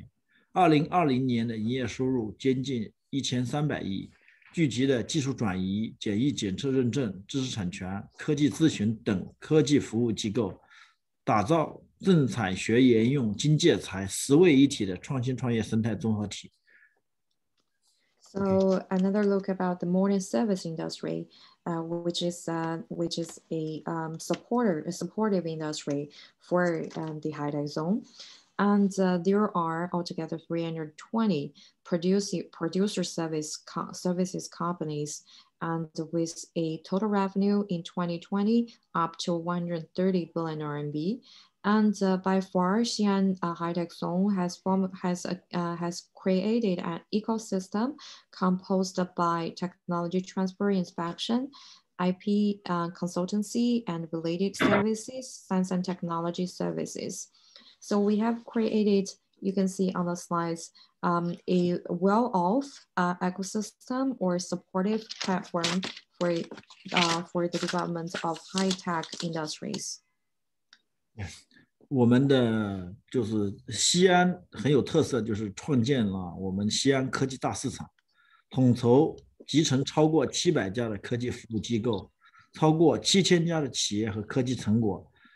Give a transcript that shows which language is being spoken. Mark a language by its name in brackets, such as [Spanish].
[Chinese] 第五个方面就是我们的现代服务业。西安高新区现有320多家生产性的服务业企业，2020年的营业收入接近 1300亿, 聚集的技术转移、检疫检测认证、知识产权、科技咨询等科技服务机构，打造政产学研用经济财十位一体的创新创业生态综合体。 [English] So another look about the modern service industry, which is a supportive industry for the high tech zone. And there are altogether 320 producer services companies, and with a total revenue in 2020 up to 130 billion RMB. And by far, Xi'an High Tech Zone has created an ecosystem composed by technology transfer, inspection, IP consultancy, and related services, science and technology services. So we have created, you can see on the slides, a well-off ecosystem or supportive platform for the development of high-tech industries. [Chinese] Yes, 我们的就是西安很有特色，就是创建了我们西安科技大市场，统筹集成超过700家的科技服务机构，超过7000家的企业和科技成果。